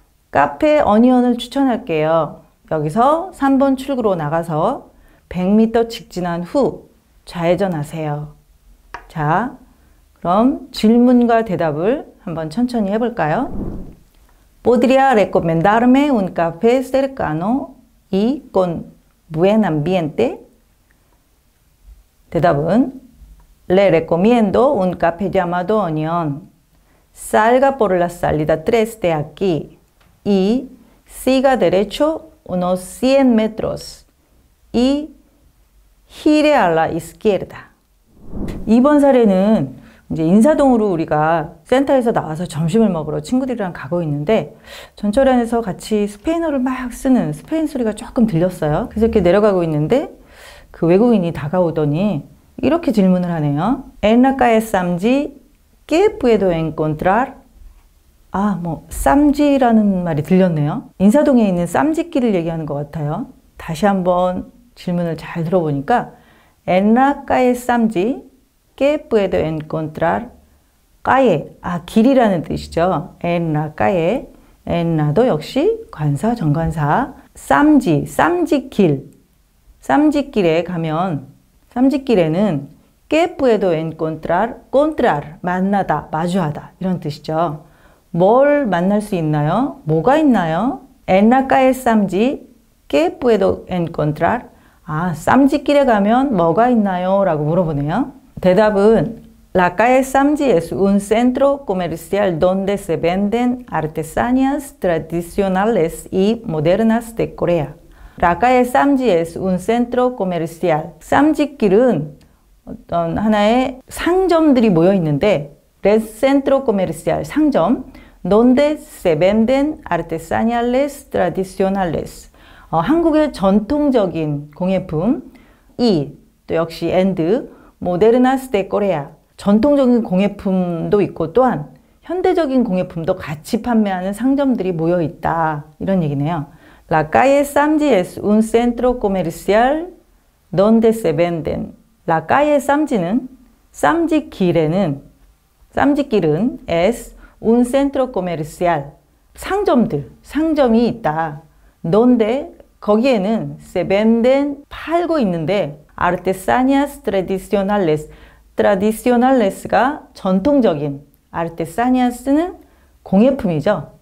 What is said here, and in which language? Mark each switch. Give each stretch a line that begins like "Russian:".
Korean: Café Onion을 추천할게요. 여기서 3번 출구로 나가서 100m 직진한 후 좌회전하세요. 자, 그럼 질문과 대답을 한번 천천히 해볼까요?
Spanish: ¿Podría recomendarme un café cercano y con buen ambiente?
Korean: 대답은
Spanish: Le recomiendo un café llamado Onion. Salga por la salida 3 de aquí y siga derecho unos 100 metros y gire a la izquierda.
Korean: 이번 사례는 이제 인사동으로 우리가 센터에서 나와서 점심을 먹으러 친구들이랑 가고 있는데 전철 안에서 같이 스페인어를 막 쓰는 스페인 소리가 조금 들렸어요. 그래서 이렇게 내려가고 있는데 그 외국인이 다가오더니 이렇게 질문을 하네요.
Spanish: En la calle Samji, ¿qué puedo encontrar?
Korean: 아, 뭐 쌈지라는 말이 들렸네요. 인사동에 있는 쌈지길을 얘기하는 것 같아요. 다시 한번 질문을 잘 들어보니까
Spanish: En la calle Samji, ¿qué puedo encontrar?
Korean: 까에, 아, 길이라는 뜻이죠.
Spanish: En la calle, en la도
Korean: 역시 관사, 정관사. 쌈지, 쌈지길. 쌈지길에 가면, 쌈지길에는
Spanish: ¿qué puedo encontrar?
Korean: Contrar, 만나다, 마주하다 이런 뜻이죠. 뭘 만날 수 있나요? 뭐가 있나요?
Spanish: En la calle Samji, ¿qué puedo encontrar?
Korean: 아, 쌈지길에 가면 뭐가 있나요? 라고 물어보네요. 대답은
Spanish: La calle Samji es un centro comercial donde se venden artesanías tradicionales y modernas de Corea. La calle Samji es un centro comercial.
Korean: 쌈지길은 어떤 하나의 상점들이 모여 있는데
Spanish: Es centro comercial, 상점 donde se venden artesanías tradicionales.
Korean: 한국의 전통적인 공예품 이 또 역시
Spanish: and modernas de Corea
Korean: 전통적인 공예품도 있고 또한 현대적인 공예품도 같이 판매하는 상점들이 모여 있다 이런 얘기네요.
Spanish: La calle Samji es un centro comercial donde se venden. La calle Samji는
Korean: 쌈지 길에는 쌈지 길은
Spanish: es un centro comercial
Korean: 상점들 상점이 있다.
Spanish: Donde
Korean: 거기에는
Spanish: se venden
Korean: 팔고 있는데
Spanish: artesanías tradicionales tradicionales가 전통적인 artesanías는
Korean: 공예품이죠.